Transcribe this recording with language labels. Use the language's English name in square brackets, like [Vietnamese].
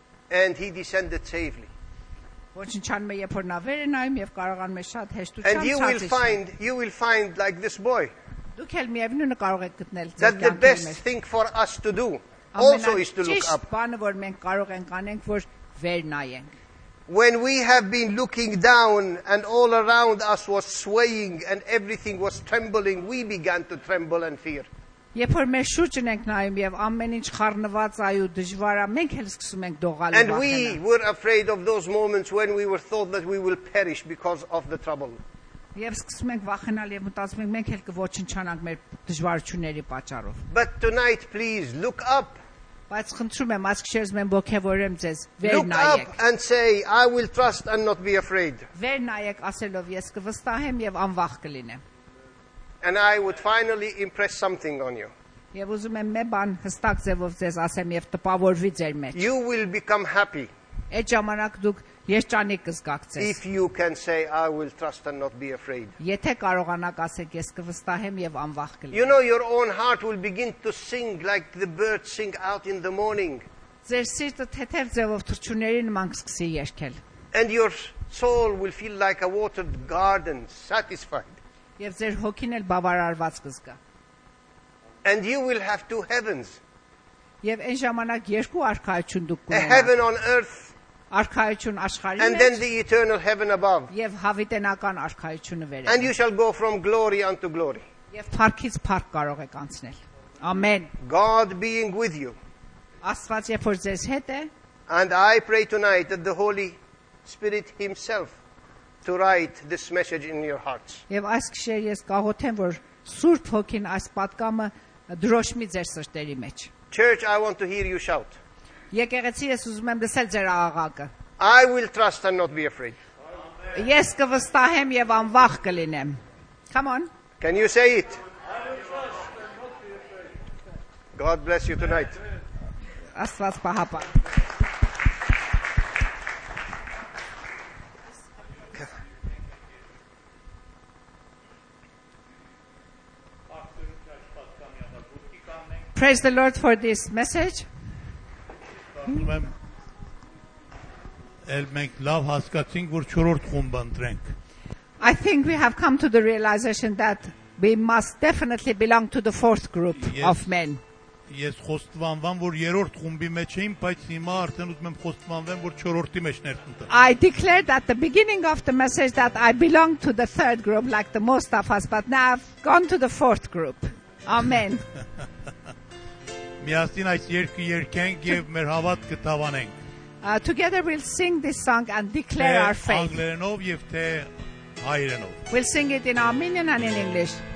[English] And he descended safely. [Armenian] Ոչնչանում է, երբ որ նա վեր է նայում եւ կարողանում է շատ հեշտությամբ [English] And you will find like this boy. [Armenian] Դուք էլ միևնույնն է կարող եք գտնել ձեր կյանքում. [English] That the best thing for us to do also is to look up. [Armenian] Ամենաճիշտ բանը, որ մենք կարող ենք անենք, որ վեր նայենք. [English] When we have been looking down and all around us was swaying and everything was trembling, we began to tremble and fear. [Armenian] Երբ որ մեր շուրջն ենք նայում եւ ամեն ինչ խառնված այ ու դժվար է, մենք էլ սկսում ենք դողալ [English] And we were afraid of those moments when we were thought that we will perish because of the trouble. [Armenian] Եվ սկսում ենք վախենալ եւ մտածում ենք մենք էլ կոչնչանանք մեր դժվարությունների պատճառով. [English] But tonight please look up. [Armenian] Բայց խնդրում եմ, աշխերս մեն ոգևորեմ ձեզ, վեր նայեք. [English] Look up and say, I will trust and not be afraid. [Armenian] Վեր նայեք ասելով ես կվստահեմ եւ անվախ կլինեմ. [English] And I would finally impress something on you. [Armenian] Եվ ուզում եմ մի բան հստակ ձևով ձեզ ասեմ եւ տպավորվի ձեր մեջ. [English] You will become happy. [Armenian] Այդ ժամանակ դուք երջանիկ կզգաք ձեզ. [English] If you can say I will trust and not be afraid. [Armenian] Եթե կարողանաք ասեք ես կվստահեմ եւ անվախ կլինեմ. [English] You know your own heart will begin to sing like the birds sing out in the morning. [Armenian] Ձեր սիրտը թեթև ձևով թռչունների նման կսկսի երգել. [English] And your soul will feel like a watered garden, satisfied. [Armenian] Եվ ձեր հոգին էլ բավարարված կզգա։ [English] And you will have two heavens. [Armenian] Եվ այն ժամանակ երկու արքայություն դուք կունենաք։ [English] A heaven on earth. [Armenian] Արքայություն աշխարհին։ [English] And then the eternal heaven above. [Armenian] Եվ հավիտենական արքայությունը վերև։ [English] And you shall go from glory unto glory. [Armenian] Եվ փառքից փառք կարող եք անցնել։ Ամեն։ [English] God being with you. [Armenian] Աստված երբ որ ձեզ հետ է։ [English] And I pray tonight that the Holy Spirit himself to write this message in your hearts. [Armenian] Եվ այս քշեր ես կահոթեմ որ Սուրբ Հոգին այս պատկամը դրոշմի ձեր սրտերի մեջ. [English] Church, I want to hear you shout. [Armenian] Եկեղեցի ես ուզում եմ լսել ձեր աղաղակը. [English] I will trust and not be afraid. [Armenian] Ես կվստահեմ եւ անվախ կլինեմ. [English] Come on. Can you say it? God bless you tonight. [Armenian] Աստված պահապան. [English] Praise the Lord for this message. [Armenian] Ելմենք լավ հասկացինք, որ 4-րդ խումբը ընտրենք. [English] I think we have come to the realization that we must definitely belong to the fourth group of men. [Armenian] Ես խոստովանվում, որ 3-րդ խումբի մեջ էին, բայց հիմա արդեն ուզում եմ խոստովանվեմ, որ 4-րդի մեջ ներտնեմ. [English] I declared at the beginning of the message that I belong to the third group like the most of us, but now I've gone to the fourth group. Amen. [Armenian] Միասին այս երգը երգենք եւ մեր հավատքը դավանենք։ [English] Together we'll sing this song and declare our faith. [Armenian] Անգլերենով եւ թե հայերենով։ [English] We'll sing it in Armenian and in English.